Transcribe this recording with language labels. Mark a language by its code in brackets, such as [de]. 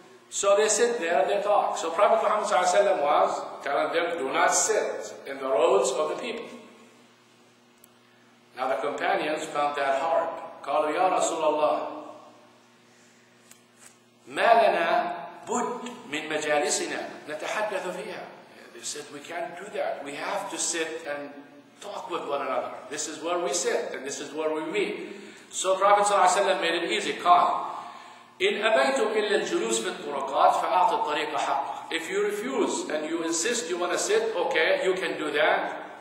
[en] So they sit there and they talk. So Prophet Muhammad sallallahu alaihi wasallam was telling them, do not sit in the roads of the people. Now the companions found that hard. [ar] قالوا يا رسول الله ما لنا بد من مجالسنا نتحدث فيها. [en] They said, we can't do that. We have to sit and talk with one another. This is where we sit and this is where we meet. So Prophet صلى الله عليه وسلم made it easy. [ar] قال إن أبيتم إلا الجلوس في الطرقات فأعطي الطريق حقه. [en] If you refuse and you insist you want to sit, okay, you can do that.